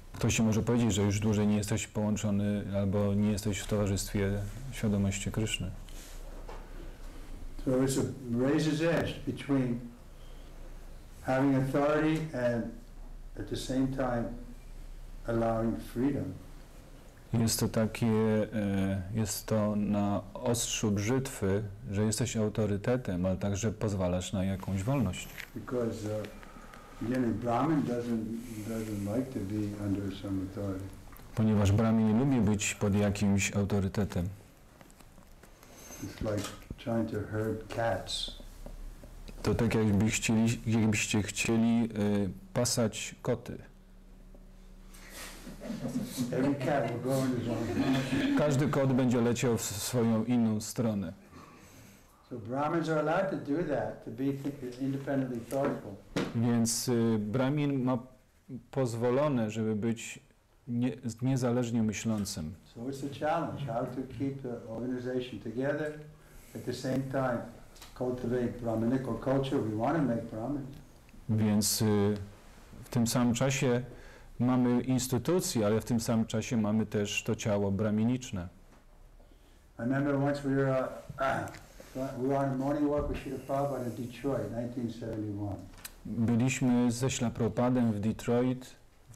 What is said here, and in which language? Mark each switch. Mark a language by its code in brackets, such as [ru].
[pl] Ktoś się może powiedzieć, że już dłużej nie jesteś połączony albo nie jesteś w towarzystwie świadomości Kryszny. [en] So it's a razor's edge between having authority and at the same time allowing freedom. [pl] Jest to takie, jest to na ostrzu brzytwy, że jesteś autorytetem, ale także pozwalasz na jakąś wolność. [en] Because, again, Brahmin doesn't like to be under some authority. [pl] Ponieważ Brahmin nie lubi być pod jakimś autorytetem. [en] It's like trying to herd cats. [pl] To tak jakbyście chcieli pasać koty. [en] Every cat will go in his own direction. [pl] Każdy kot będzie leciał w swoją inną stronę. [en] So Brahmins are allowed to do that, to be independently thoughtful. [pl] Więc Brahmin ma pozwolone, żeby być niezależnie myślącym. [en] So it's a challenge, how to keep the organization together, at the same time cultivate Brahminical culture, we want to make Brahmin. [pl] Więc w tym samym czasie mamy instytucję, ale w tym samym czasie mamy też to ciało braminiczne. [en] I remember once we were on a morning walk with Srila Prabhupada in Detroit, 1971. [pl] Byliśmy ze Śla Prabhupadem w Detroit w